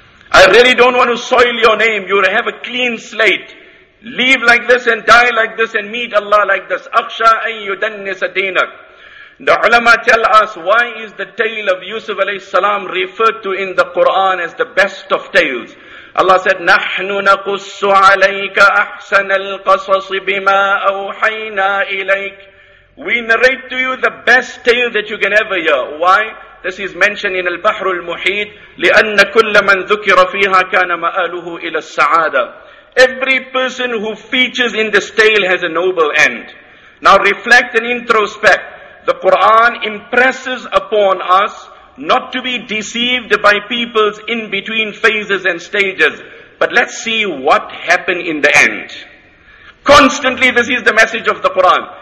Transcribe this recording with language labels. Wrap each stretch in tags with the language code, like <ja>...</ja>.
<en>I really don't want to soil your name. You have a clean slate. Live like this and die like this and meet Allah like this.</en> <ar>أَخْشَىٰ أَن يُدَنِّسَ دِينَكَ.</ar> <en>The ulama tell us, why is the tale of Yusuf alayhi salam referred to in the Quran as the best of tales? Allah said,</en> <ar>نَحْنُ نَقُصُّ عَلَيْكَ أَحْسَنَ الْقَصَصِ بِمَا أَوْحَيْنَا إِلَيْكَ.</ar> <en>We narrate to you the best tale that you can ever hear. Why? This is mentioned in Al-Bahru Al-Muhit,</en> <ar>لِأَنَّ كُلَّ مَنْ ذُكِرَ فِيهَا كَانَ مَآلُهُ إِلَى السَّعَادَةِ.</ar> <en>Every person who features in this tale has a noble end. Now reflect and introspect. The Quran impresses upon us not to be deceived by people's in-between phases and stages. But let's see what happened in the end. Constantly, this is the message of the Quran.</en>